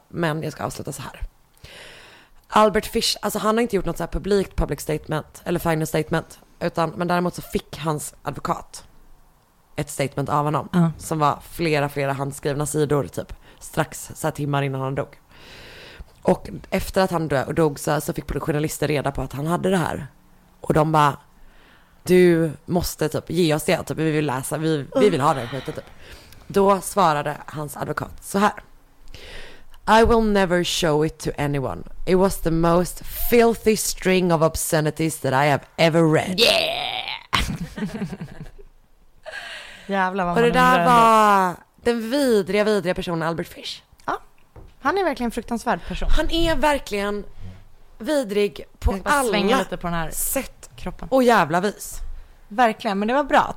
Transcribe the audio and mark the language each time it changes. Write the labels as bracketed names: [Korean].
[Swedish] Men jag ska avsluta så här. Albert Fish, alltså han har inte gjort något så här publikt public statement eller final statement, utan, men däremot så fick hans advokat ett statement av honom som var flera handskrivna sidor typ strax så här timmar innan han dog. Och efter att han dog så fick journalister reda på att han hade det här. Och de bara, du måste typ ge oss det. Typ, vi vill läsa, vi vill ha det. Typ. Då svarade hans advokat så här. [English] I will never show it to anyone. It was the most filthy string of obscenities that I have ever read. Yeah! [Swedish] Jävlar vad man och det där var den vidriga, vidriga personen Albert Fish. Han är verkligen en fruktansvärd person. Han är verkligen vidrig på alla lite på den här sätt kroppen. Och jävla vis. Verkligen, men det var bra.